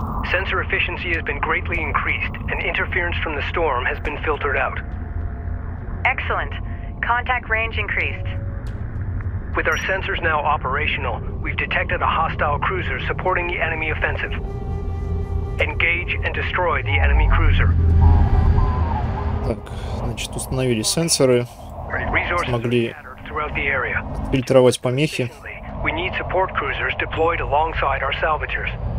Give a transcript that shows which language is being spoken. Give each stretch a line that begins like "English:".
English: Sensor efficiency has been greatly increased, and interference from the storm has been filtered out. Excellent. Contact range increased. With our sensors now operational, we've detected a hostile cruiser supporting the enemy offensive. Engage and destroy the enemy cruiser.
Russian: Так, значит, установили сенсоры. Смогли фильтровать помехи.
English: We need support cruisers deployed alongside our salvagers.